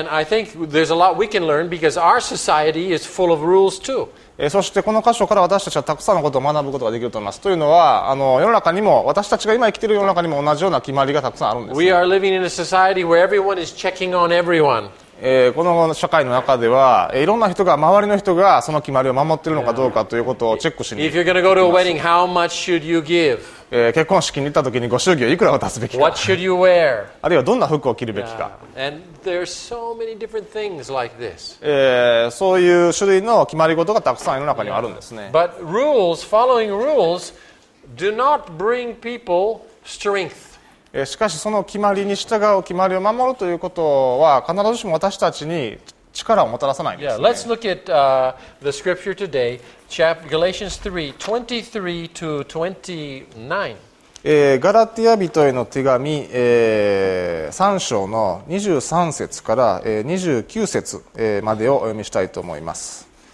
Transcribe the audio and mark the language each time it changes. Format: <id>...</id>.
<en>Yeah, and I think there's a lot we can learn because our society is full of rules too.</en> <ja>そしてこの箇所から私たちはたくさんのことを学ぶことができると思います。というのは世の中にも私たちが今生きている世の中にも同じような決まりがたくさんあるんです、</ja> <en>ね、We are living in a society where everyone is checking on everyone.</en> <ja>この社会の中では、いろんな人が周りの人がその決まりを守っているのかどうかということをチェックしに行きます。</ja> <en>If you're going to go to a wedding, how much should you give?</en> <ja>結婚式に行ったときにご祝儀をいくら渡すべきか。</ja> <en>What should you wear?</en> <ja>あるいはどんな服を着るべきか。</ja> <en>Yeah. And there's so many different things like this.</en> <ja>そういう種類の決まり事がたくさん世の中にはあるんですね。</ja> <en>Yeah. But rules, following rules, do not bring people strength.</en> <ja>しかしその決まりに従う決まりを守るということは必ずしも私たちに力をもたらさないんですね。</ja> <en>Yeah, let's look at, the scripture today, Galatians 3:23 to 29.</en> <ja>ガラティア人への手紙、3章の23節から、29節、までをお読みしたいと思います。</ja>